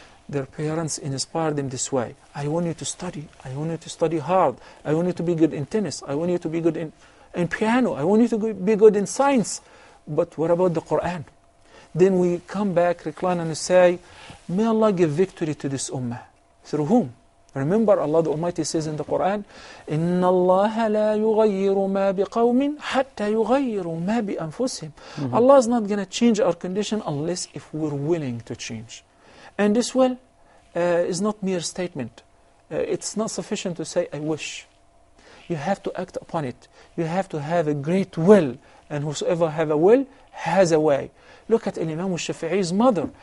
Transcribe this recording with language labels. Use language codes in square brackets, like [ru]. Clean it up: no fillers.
[en] Their parents inspired them this way. I want you to study. I want you to study hard. I want you to be good in tennis. I want you to be good in piano. I want you to be good in science. But what about the Quran? Then we come back, recline, and say, may Allah give victory to this ummah. Through whom? Remember, Allah the Almighty says in the Quran, [ar] إِنَّ اللَّهَ لَا يُغَيِّرُ مَا بِقَوْمٍ حَتَّى يُغَيِّرُ مَا بِأَنفُسِهِمْ. [en] Allah is not going to change our condition unless if we're willing to change. And this will is not mere statement. It's not sufficient to say, I wish. You have to act upon it. You have to have a great will. And whosoever have a will has a way. Look at Imam al-Shafi'i's mother.